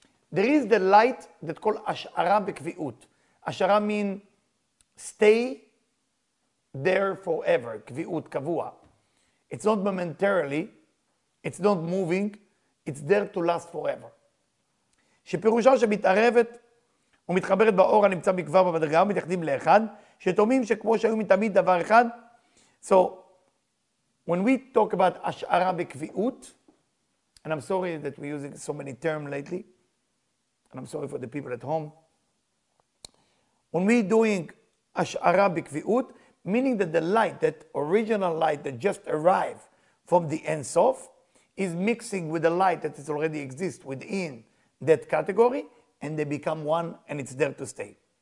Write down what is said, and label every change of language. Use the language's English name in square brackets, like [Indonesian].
[English] There is the light that called ashara b'kvi'ut. Ashara means stay there forever, kvi'ut, kavua. It's not momentarily, it's not moving, it's there to last forever. [Hebrew] שפירושה שמתערבת ומתחברת באור הנמצא מכבר במדרגה ומתייחדים לאחד, שתומים שכמו שהיו מתמיד דבר אחד. [English] So, when we talk about השערה בקביעות, and I'm sorry that we're using so many terms lately, and I'm sorry for the people at home, when we doing השערה בקביעות, meaning that the light, that original light that just arrived from the Ein Sof, is mixing with the light that is already exist within that category, and they become one, and it's there to stay.